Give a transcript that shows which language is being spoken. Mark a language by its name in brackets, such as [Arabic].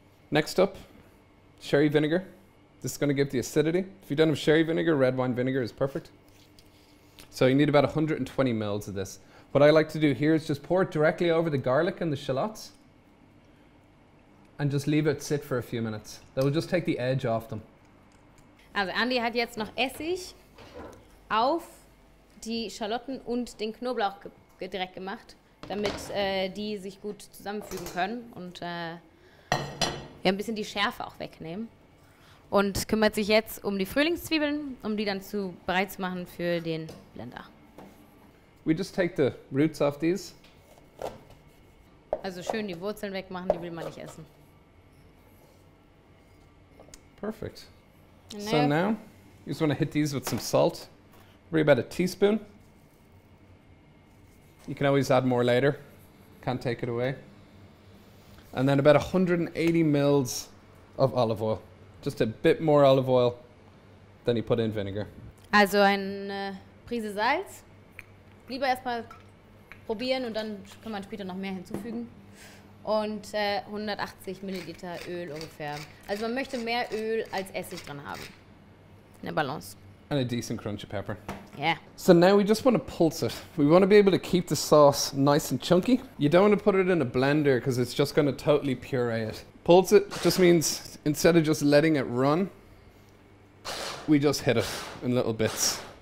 [English] Next up, sherry vinegar. This is going to give the acidity. If you don't have sherry vinegar, red wine vinegar is perfect. So you need about 120 mils of this. What I like to do here is just pour it directly over the garlic and the shallots and just leave it sit for a few minutes. That will just take the edge off them. [German] Also Andy hat jetzt noch Essig auf die Schalotten und den Knoblauch direkt gemacht, damit die sich gut zusammenfügen können und ein bisschen die Schärfe auch wegnehmen. und kümmert sich jetzt um die Frühlingszwiebeln, um die dann zu bereit zu machen für den Blender. [English] We just take the roots off these. [German] Also schön die Wurzeln wegmachen, die will man nicht essen. [English] Perfect. So now, you just want to hit these with some salt. Maybe about a teaspoon. You can always add more later. Can't take it away. And then about 180 mils of olive oil. Just a bit more olive oil than you put in vinegar. [German] Also eine Prise Salz. Lieber erstmal probieren und dann kann man später noch mehr hinzufügen. Und 180 Milliliter Öl ungefähr. Also man möchte mehr Öl als Essig drin haben. Eine Balance. [English] And a decent crunch of pepper. Yeah. So now we just want to pulse it. We want to be able to keep the sauce nice and chunky. You don't want to put it in a blender because it's just going to totally puree it. Pulse it just means instead of just letting it run, we just hit it in little bits.